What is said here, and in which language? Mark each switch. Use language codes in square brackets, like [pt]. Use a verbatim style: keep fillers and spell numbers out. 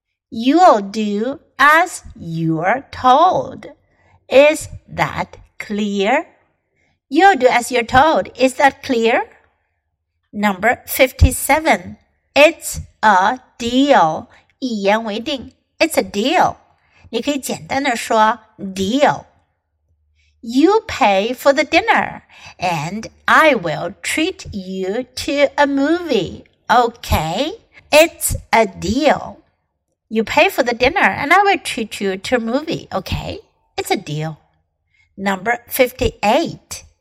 [en] You'll do as you're told. Is that clear? You'll do as you're told. Is that clear? Number fifty-seven. It's a deal. [zh] 一言为定 [en] It's a deal. [zh] 你可以简单的说 deal. [en] You pay for the dinner, and I will treat you to a movie. Okay? It's a deal. You pay for the dinner, and I will treat you to a movie. Okay? It's a deal. Number fifty-eight.